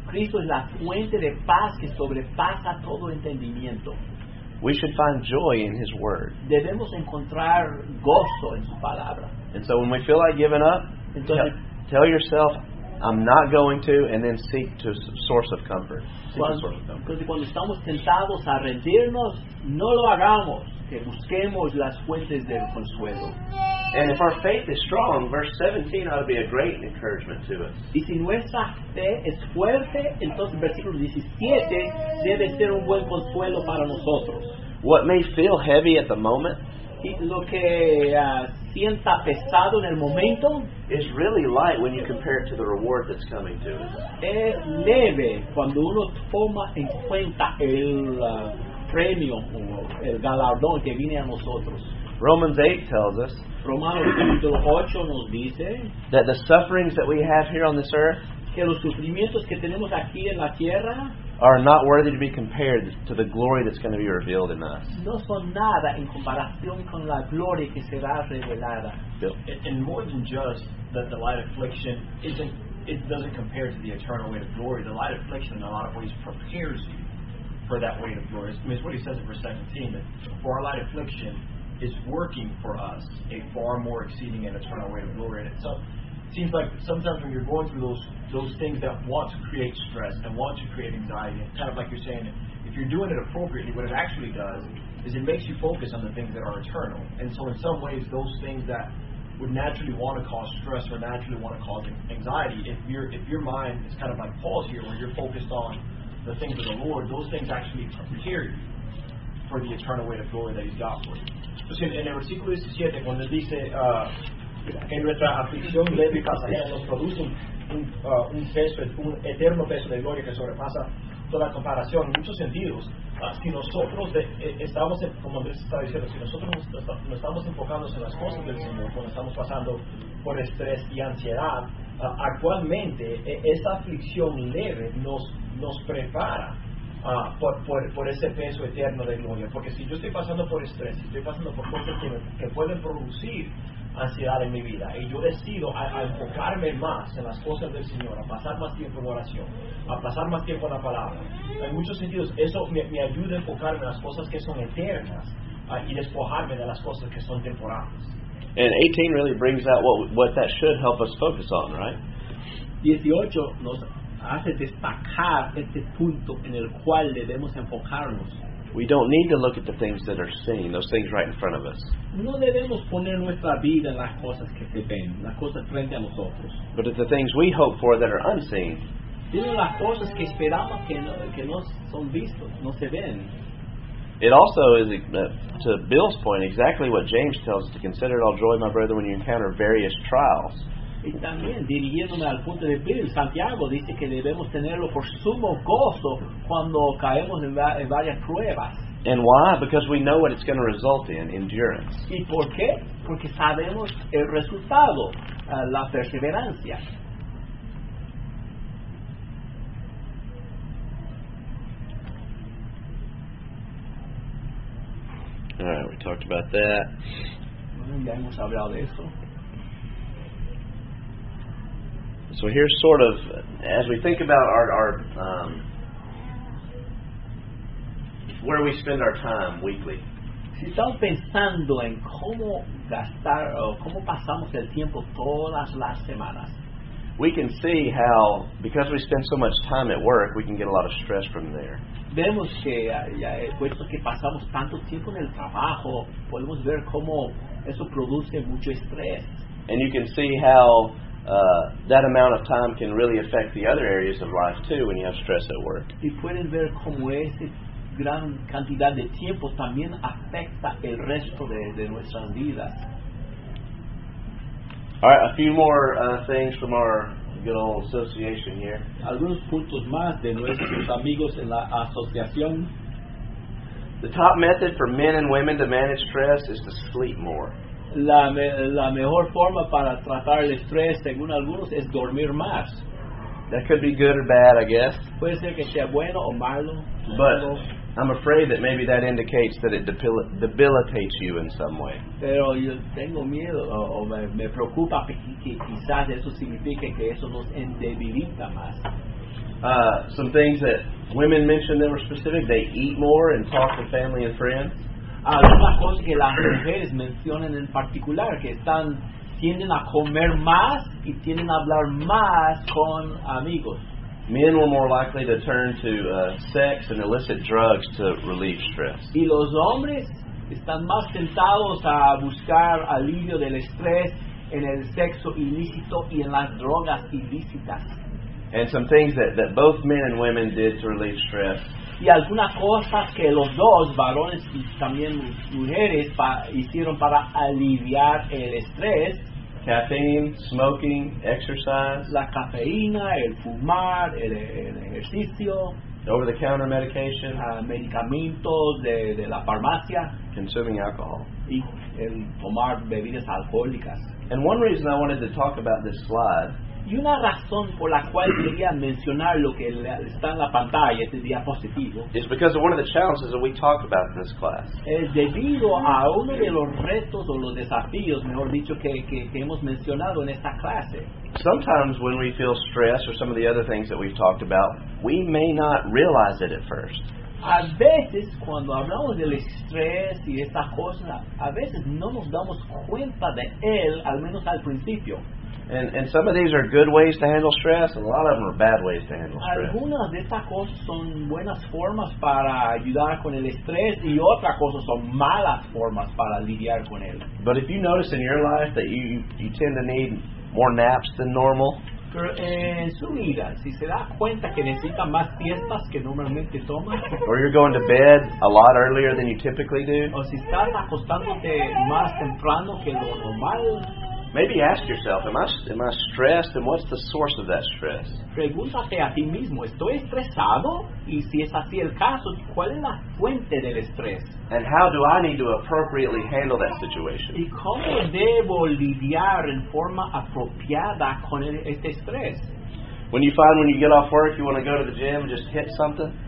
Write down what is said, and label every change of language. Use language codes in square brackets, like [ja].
[es] Cristo es la fuente de paz que sobrepasa todo entendimiento. [en] We should find joy in His Word. [es] Debemos encontrar gozo en su palabra. [en] And so when we feel like giving up, [es] entonces, [en] tell yourself, I'm not going to, and then seek to source of comfort. [es] Porque cuando estamos tentados a rendirnos, no lo hagamos, que busquemos las fuentes del consuelo. [en] And if our faith is strong, verse 17 ought to be a great encouragement to us. [es] Y si nuestra fe es fuerte, entonces versículo 17 debe ser un buen consuelo para nosotros. [en] What may feel heavy at the moment, [es] lo que sienta pesado en el momento, [en] is really light when you compare it to the reward that's coming to us. [es] Es leve cuando uno toma en cuenta el premio, el galardón que viene a nosotros. [en] Romans 8 tells us that the sufferings that we have here on this earth [es] que los sufrimientos que tenemos aquí en la tierra [en] are not worthy to be compared to the glory that's going to be revealed in us. [es] No son nada en comparación con la gloria que será revelada. [en] Bill. And more than just that, the light affliction isn't—it doesn't compare to the eternal weight of glory. The light affliction, in a lot of ways, prepares you for that weight of glory. I mean, it's what he says in verse 17, that for our light affliction is working for us a far more exceeding and eternal weight of glory in it. So, seems like sometimes when you're going through those things that want to create stress and want to create anxiety, it's kind of like you're saying, if you're doing it appropriately, what it actually does is it makes you focus on the things that are eternal. And so in some ways, those things that would naturally want to cause stress or naturally want to cause anxiety, if your mind is kind of like Paul's here, where you're focused on the things of the Lord, those things actually prepare you for the eternal weight of glory that he's got for you. So in [es] el versículo 17, cuando dice, que nuestra aflicción leve y pasajera nos produce un peso, un eterno peso de gloria que sobrepasa toda comparación. En muchos sentidos, si nosotros estamos, como Andrés está diciendo, si nosotros nos estamos enfocando en las cosas del Señor cuando estamos pasando por estrés y ansiedad, actualmente esa aflicción leve nos prepara por ese peso eterno de gloria. Porque si yo estoy pasando por estrés, si estoy pasando por cosas que pueden producir ansiedad en mi vida, y yo decido a enfocarme más en las cosas del Señor, a pasar más tiempo en oración, a pasar más tiempo en la palabra, en muchos sentidos eso me ayuda a enfocarme en las cosas que son eternas y despojarme de las cosas que son temporales. [en] And 18 really brings out what that should help us focus on, right? [es] 18 nos hace destacar este punto en el cual debemos enfocarnos. [en] We don't need to look at the things that are seen, those things right in front of us. [es] No debemos poner nuestra vida en las cosas que se ven, las cosas frente a nosotros. [en] But at the things we hope for that are unseen. [es] Sino las cosas que esperamos que no son vistos, no se ven. [en] It also is, to Bill's point, exactly what James tells us to consider it all joy, my brother, when you encounter various trials. [es] Y también, dirigiéndome al punto de Bill, Santiago dice que debemos tenerlo por sumo gozo cuando caemos en varias pruebas. [en] And why? Because we know what it's going to result in, endurance. [es] ¿Y por qué? Porque sabemos el resultado, la perseverancia. [en] All right, we talked about that. [es] Ya hemos hablado de eso. [en] So here's sort of, as we think about our where we spend our time weekly. [es] Si estamos pensando en cómo gastar o cómo pasamos el tiempo todas las semanas, [en] we can see how, because we spend so much time at work, we can get a lot of stress from there. [es] Vemos que ya puesto que pasamos tanto tiempo en el trabajo, podemos ver cómo eso produce mucho estrés. [en] And you can see how that amount of time can really affect the other areas of life too when you have stress at work. [es] Y pueden ver cómo esa gran cantidad de tiempo también afecta el resto de nuestras vidas. [en] All right, a few more things from our good old association here. [es] Algunos puntos más de nuestros amigos en la asociación. [en] The top method for men and women to manage stress is to sleep more. [es] La mejor forma para tratar el estrés, según algunos, es dormir más. [en] That could be good or bad, I guess. [es] Puede ser que sea bueno o malo. [en] But I'm afraid that maybe that indicates that it debilitates you in some way. [es] Pero yo tengo miedo, o me preocupa que quizás eso signifique que eso nos endebilita más. [en] Some things that women mentioned that were specific, they eat more and talk to family and friends. [es] Algunas cosas que las mujeres mencionan en particular, que están tienden a comer más y tienden a hablar más con amigos. [en] Men were more likely to turn to sex and illicit drugs to relieve stress. [es] Y los hombres están más tentados a buscar alivio del estrés en el sexo ilícito y en las drogas ilícitas. [en] And some things that both men and women did to relieve stress. [es] Y algunas cosas que los dos, varones y también mujeres, hicieron para aliviar el estrés. [en] Caffeine, smoking, exercise. [es] La cafeína, el fumar, el ejercicio. [en] Over-the-counter medication. [es] Medicamentos de la farmacia. [en] Consuming alcohol. [es] Y el tomar bebidas alcohólicas. [en] And one reason I wanted to talk about this slide. [es] Y una razón por la cual quería mencionar lo que está en la pantalla, este diapositivo, [en] is because of one of the challenges that we talk about in this class. [es] Es debido a uno de los retos o los desafíos, mejor dicho, que hemos mencionado en esta clase. [en] Sometimes when we feel stress or some of the other things that we've talked about, we may not realize it at first. [es] A veces, cuando hablamos del estrés y estas cosas, a veces no nos damos cuenta de él, al menos al principio. [en] And some of these are good ways to handle stress, and a lot of them are bad ways to handle stress. [es] Algunas de estas cosas son buenas formas para ayudar con el estrés, y otras cosas son malas formas para lidiar con él. [en] But if you notice in your life that you tend to need more naps than normal. [es] Pero en su vida, si se da cuenta que necesita más siestas que normalmente toma. [en] Or you're going to bed a lot earlier than you typically do. [es] O si estás acostándote más temprano que lo normal. [en] Maybe ask yourself, am I stressed, and what's the source of that stress? [es] Pregúntate a ti mismo, ¿estoy estresado? Y si es así el caso, ¿cuál es la fuente del estrés? [en] And how do I need to appropriately handle that situation? [es] ¿Y cómo debo lidiar en forma apropiada con este estrés? [en] When you get off work, you want to go to the gym and just hit something?